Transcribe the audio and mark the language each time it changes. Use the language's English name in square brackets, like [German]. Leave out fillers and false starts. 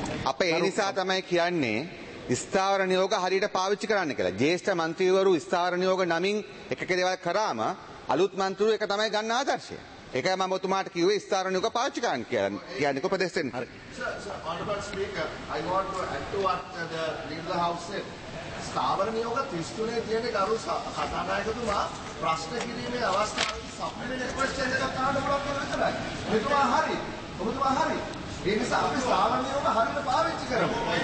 [Sinhala] අප ඒ නිසා තමයි කියන්නේ ස්ථාවර නියෝග හරියට පාවිච්චි කරන්න කියලා. ජේෂ්ඨ මන්ත්‍රීවරු ස්ථාවර නියෝග නමින් එකක දේවල් කරාම අලුත් මන්ත්‍රීවරු එක තමයි ගන්න ආදර්ශය. ඒකයි මම ඔතුමාට කිව්වේ ස්ථාවර නියෝග පාවිච්චි කරන්න කියලා. කියන්නේ උපදෙස් දෙන්න. හරි. [English] Sir, honorable speaker, I want to add to what the leader of the house said. [Sinhala] ස්ථාවර නියෝග 33 තියෙන ගරු කතානායකතුමා ප්‍රශ්න කිරීමේ අවස්ථාවේ සම්මෙලන ක්වෙස්චන් එකක් අහන්න බලන්න කරන්නේ. මෙතුමා හරි. ඔබතුමා හරි. මේ නිසා අපි ස්ථාවර නියෝග හරියට පාවිච්චි කරමු.